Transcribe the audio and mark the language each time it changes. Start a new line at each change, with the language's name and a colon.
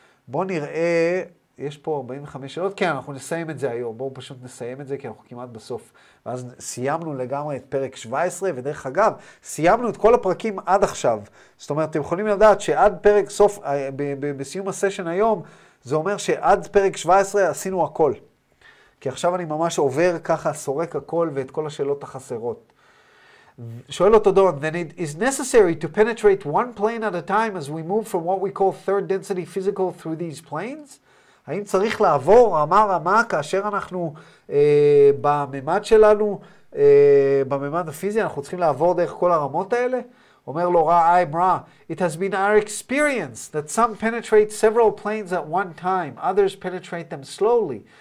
Hebrew: בואו נראה, יש פה 45 שאלות, כן, אנחנו נסיים את זה היום, בואו פשוט נסיים את זה, כי אנחנו כמעט בסוף, ואז סיימנו לגמרי את פרק 17, ודרך אגב, סיימנו את כל הפרקים עד עכשיו, זאת אומרת, אתם יכולים לדעת שעד פרק סוף, בסיום הסשן היום, זה אומר שעד פרק 17 עשינו הכל, כי עכשיו אני ממש עובר ככה, סורק הכל ואת כל השאלות החסרות. שואל אותו דון,
English: then it is necessary to penetrate one plane at a time as we move from what we call third density physical through these planes?
Hebrew: האם צריך לעבור רמה רמה כאשר אנחנו בממד שלנו, בממד הפיזי, אנחנו צריכים לעבור דרך כל הרמות האלה? אומר לו,
English: it has been our experience that some penetrate several planes at one time, others penetrate them slowly.